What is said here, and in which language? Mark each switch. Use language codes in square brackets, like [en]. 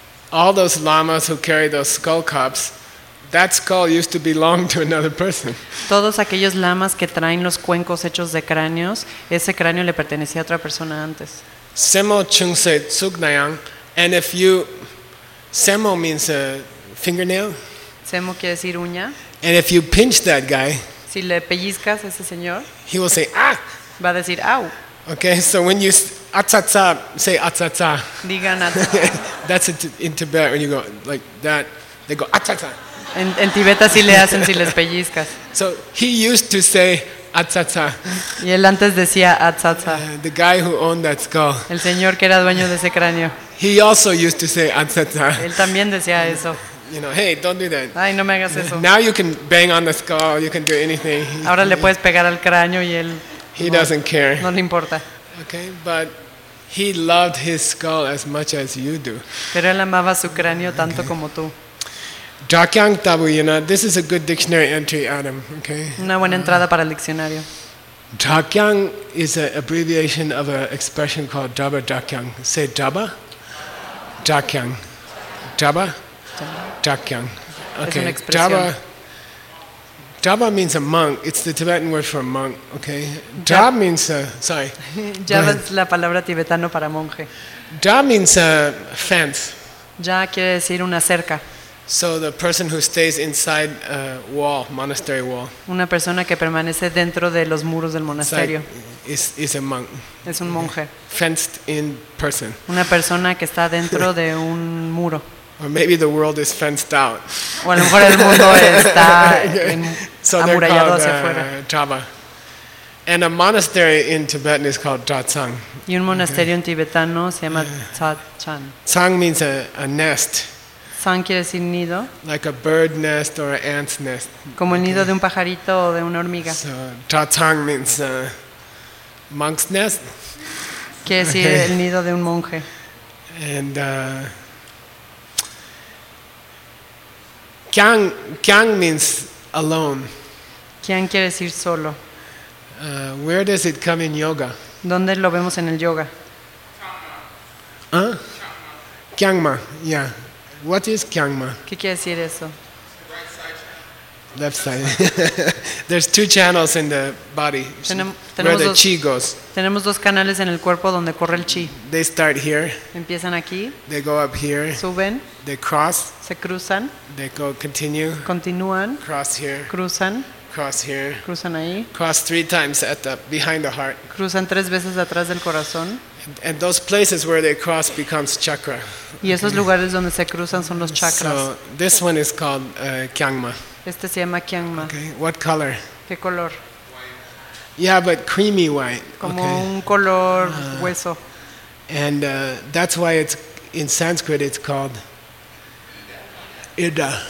[en] All those lamas who carry those skull cups, that skull used to belong to another person. [es] Todos aquellos lamas que traen los cuencos hechos de cráneos, ese cráneo le pertenecía a otra persona antes. [en] Semo Chungse Tsugnayang. And if you. Semo means a fingernail. [es] Semo quiere decir uña. [en] And if you pinch that guy. [es] Si le pellizcas a ese señor. [en] He will say, ah! [es] Va a decir au. [en] Okay, so when you atsatsa, say atsatsa. [es] Digan atsatsa. [en] That's in Tibet when you go like that, they go atsatsa. [es] En Tibet así le hacen si les pellizcas. [en] So he used to say atsatsa. [es] Y él antes decía atsatsa. [en] The guy who owned that skull. [es] El señor que era dueño de ese cráneo. [en] He also used to say atsatsa. [es] Él también decía eso. [en] You know, hey, don't do that. [es] Ay, no me hagas eso. [en] Now you can bang on the skull, you can do anything. [es] Ahora le puedes pegar al cráneo y él. [en] He doesn't care. [es] No le importa. [en] Okay, but he loved his skull as much as you do. [es] Pero él amaba su cráneo tanto como tú. [en] Dakyang Tabuyena, this is a good dictionary entry, Adam. Okay. [es] Una buena entrada para el diccionario. [en] Dakyang is an abbreviation of an expression called Daba Dakyang. Say Daba. Dakyang. Daba. Dakyang. [es] Okay. Es una expresión. Daba. [en] Daba means a monk. It's the Tibetan word for a monk. Okay. Da means a. Sorry. [es] Daba es la palabra tibetano para monje. [en] Da means a fence. [es] Ya quiere decir una cerca. [en] So the person who stays inside a wall, monastery wall. [es] Una persona que permanece dentro de los muros del monasterio. [en] Is a monk. [es] Es un monje. [en] Fenced in person. [es] Una persona que está dentro de un muro. [en] Or maybe the world is fenced out. [es] O a lo mejor el mundo está amurallado hacia afuera. Daba. [en] And a monastery in Tibetan is called Dzatsang. [es] Y un monasterio en tibetano se llama Dzatsang. [en] Tsang means a nest. [es] Tsang quiere decir nido. [en] Like a bird nest or an ant's nest. [es] Como el nido de un pajarito o de una hormiga. [en] So Dzatsang means a monk's nest. [es] Quiere decir el nido de un monje. [en] And Kyang means alone. [es] Kyang quiere decir solo. [en] Where does it come in yoga? [es] ¿Dónde lo vemos en el yoga? [en] ¿Ah? Kyangma, yeah. What is Kyangma? [es] ¿Qué quiere decir eso? [en] Left side. There's two channels in the body. [es] Tenemos [en] where the chi goes. [es] Tenemos dos canales en el cuerpo donde corre el chi. [en] They start here. [es] Empiezan aquí. [en] They go up here. [es] Suben. [en] They cross. [es] Se cruzan. [en] They go continue. [es] Continúan. [en] Cross here. [es] Cruzan. [en] Cross here. [es] Cruzan ahí. [en] Cross three times at the behind the heart. [es] Cruzan tres veces atrás del corazón. [en] And those places where they cross becomes chakra. [es] Y esos lugares donde se cruzan son los chakras. [en] So this one is called Kyangma. [es] Este se llama Kyangma. [en] Okay. What color? [es] ¿Qué color? [en] White. Yeah, but creamy white. [es] Como okay. un color hueso. [en] And that's why it's in Sanskrit it's called Ida.